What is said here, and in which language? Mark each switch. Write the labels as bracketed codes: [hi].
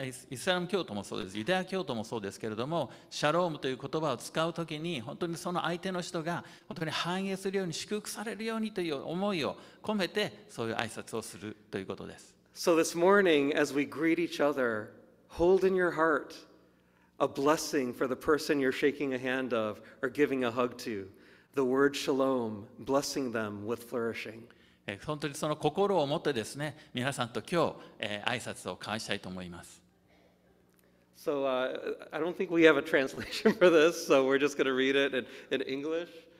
[ja] イスラム教徒もそうです。ユダヤ教徒もそうですけれども、シャロームという言葉を使うときに、本当にその相手の人が本当に繁栄するように祝福されるようにという思いを込めてそういう挨拶をするということです。 [en] So this morning, as we greet each other, hold in your heart. A blessing for the person you're shaking a hand of or giving a hug to. The word shalom, blessing them with flourishing. [ja] 本当にその心を持ってですね、皆さんと今日、挨拶を交わしたいと思います。 [en] So, I don't think we have a translation for this, so we're just going to read it in English.